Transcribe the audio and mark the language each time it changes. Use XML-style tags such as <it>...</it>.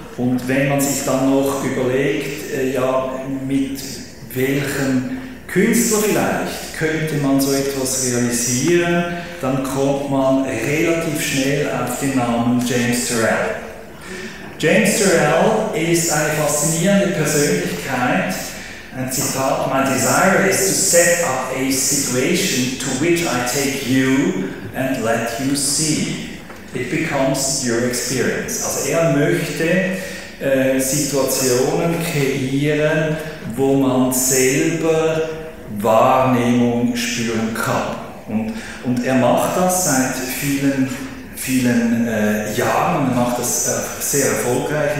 <de>Und wenn man sich dann noch überlegt, mit welchem Künstlerisch könnte man so etwas realisieren, dann kommt man relativ schnell auf den Namen James Turrell. James Turrell ist eine faszinierende Persönlichkeit. Ein Zitat:</de> <en>My desire is to set up a situation to which I take you and let you see. It becomes your experience.</en> <de>Also er möchte Situationen kreieren, wo man selber Wahrnehmung spüren kann. Und er macht das seit vielen, vielen Jahren und macht das sehr erfolgreich.</de>